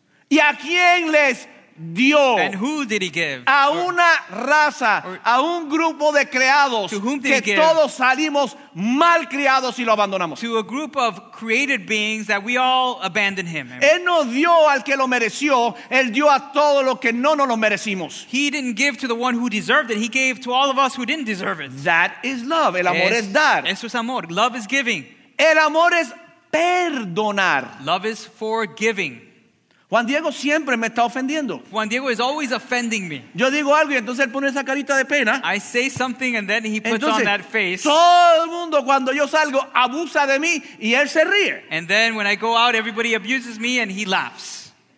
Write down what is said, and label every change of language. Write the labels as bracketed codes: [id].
[es] ¿Y a quién les dio? [en] And who did he give? [es] A una raza, a un grupo de creados. [en] To whom did [es] que [en] he give? [es] Todos salimos mal criados y lo abandonamos. [en] To a group of created beings that we all abandoned him. [es] Él no dio al que lo mereció, él dio a todo lo que no nos lo merecimos. [en] He didn't give to the one who deserved it, he gave to all of us who didn't deserve it. That is love, [es] el amor es dar. Eso es amor, [en] love is giving. [es] El amor es perdonar. [en] Love is forgiving. [es] Juan Diego siempre me está ofendiendo. [en] Juan Diego is always offending me. [es] Yo digo algo y entonces él pone esa carita de pena. [en] I say something and then he puts [es] entonces, [en] on that face. [es] Todo el mundo cuando yo salgo abusa de mí y él se ríe. [en] And then when I go out everybody abuses me and he laughs.